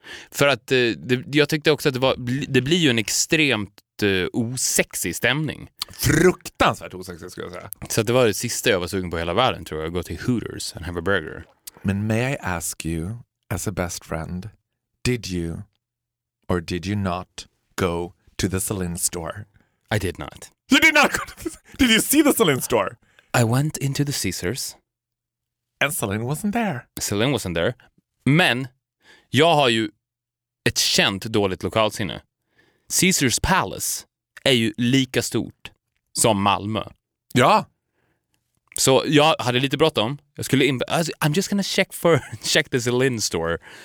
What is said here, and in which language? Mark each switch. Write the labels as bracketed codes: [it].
[sv] För att jag tyckte också att det blir ju en extremt osexig stämning. Fruktansvärt osexig skulle jag säga. Så det var det sista jag var sugen på hela världen, tror jag. Gå till Hooters [en] and have a burger. Men may I ask you, as a best friend, did you or did you not go to the Celine store? I did not. You did not go to the... Did you see the Celine store? I went into the Caesars. And Celine wasn't there. [sv] Men jag har ju ett känt dåligt lokalsinne. Caesars Palace är ju lika stort som Malmö. Ja. Så jag hade lite bråttom. Jag skulle in, [en] I'm just gonna check the Celine store.